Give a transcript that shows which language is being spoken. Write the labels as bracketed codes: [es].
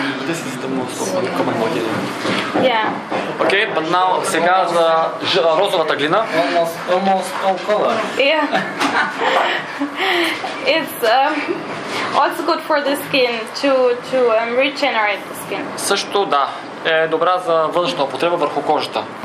[en] This is the most common material. Yeah. Okay, but now [bg] сега за розовата глина. [en] Almost all color. Yeah. It's also good for the skin to regenerate the skin. [bg] Също да. Е добра за външна употреба върху кожата.